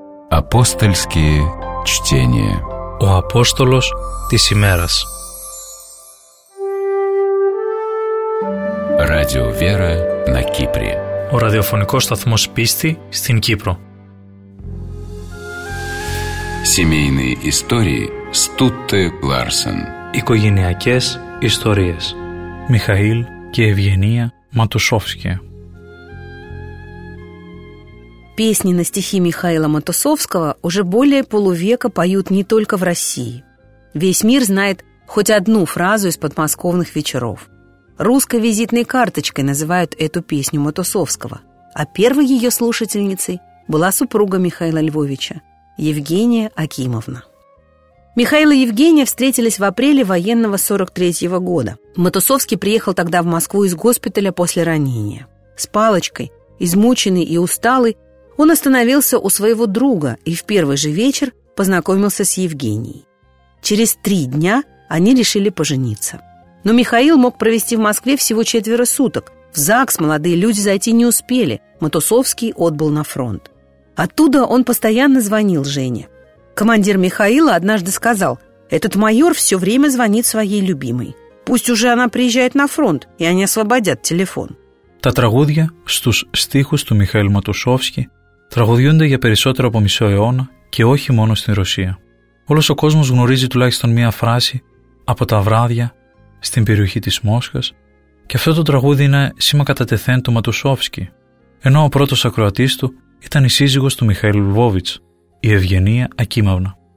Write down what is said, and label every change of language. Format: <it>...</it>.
<ru>Апостольские чтения.</ru> <el>О апостолос тис имерас.</el> <ru>Радио Вера на Кипре.</ru> <el>О радиофоникός сταθμός πίστη στην Κύπρο.</el> <ru>Семейные истории Стутте Ларсен.</ru> <el>Οικογενειακές ιστορίες. Михаил και Ευγενία Ματουσόφσκη.</el> <ru>Песни на стихи Михаила Матусовского уже более полувека поют не только в России. Весь мир знает хоть одну фразу из подмосковных вечеров. Русской визитной карточкой называют эту песню Матусовского, а первой ее слушательницей была супруга Михаила Львовича, Евгения Акимовна. Михаил и Евгения встретились в апреле военного 43-го года. Матусовский приехал тогда в Москву из госпиталя после ранения. С палочкой, измученный и усталый, он остановился у своего друга и в первый же вечер познакомился с Евгенией. Через 3 дня они решили пожениться. Но Михаил мог провести в Москве всего 4 суток. В ЗАГС молодые люди зайти не успели. Матусовский отбыл на фронт. Оттуда он постоянно звонил Жене. Командир Михаила однажды сказал: «Этот майор все время звонит своей любимой. Пусть уже она приезжает на фронт, и они освободят телефон».</ru> <el>Τα τραγούδια στους στίχους του Μιχαήλ Ματουσόφσκη τραγουδιούνται για περισσότερο από μισό αιώνα και όχι μόνο στην Ρωσία. Όλος ο κόσμος γνωρίζει τουλάχιστον μία φράση από τα βράδια στην περιοχή της Μόσχας και αυτό το τραγούδι είναι σήμα κατά τεθέν του Ματουσόφσκη, ενώ ο πρώτος ακροατής του ήταν η σύζυγος του Μιχαήλ Λβόβιτς, η Ευγενία Ακίμαυνα.</el>